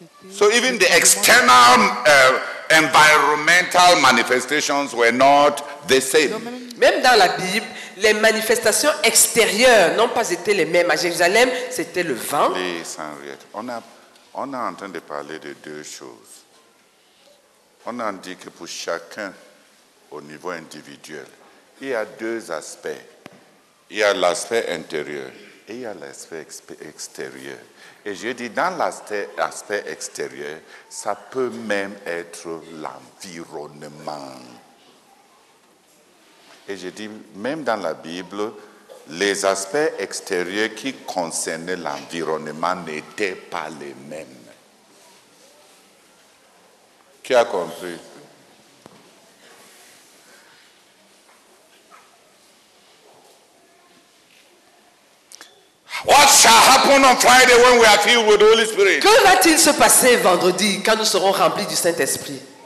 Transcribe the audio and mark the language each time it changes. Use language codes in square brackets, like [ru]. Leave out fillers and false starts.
[en] So even the external environmental manifestations were not the same. [fr] Même dans la Bible, les manifestations extérieures n'ont pas été les mêmes. À Jérusalem, c'était le vent. Please, Henriette, on a en train de parler de deux choses. On a dit que pour chacun, au niveau individuel, il y a deux aspects. Il y a l'aspect intérieur. Et il y a l'aspect extérieur. Et je dis, dans l'aspect extérieur, ça peut même être l'environnement. Et je dis, même dans la Bible, les aspects extérieurs qui concernaient l'environnement n'étaient pas les mêmes. Qui a compris? [en] What shall happen on Friday when we are filled with the Holy Spirit? [fr] Que va-t-il se passer vendredi quand nous serons remplis du Saint-Esprit?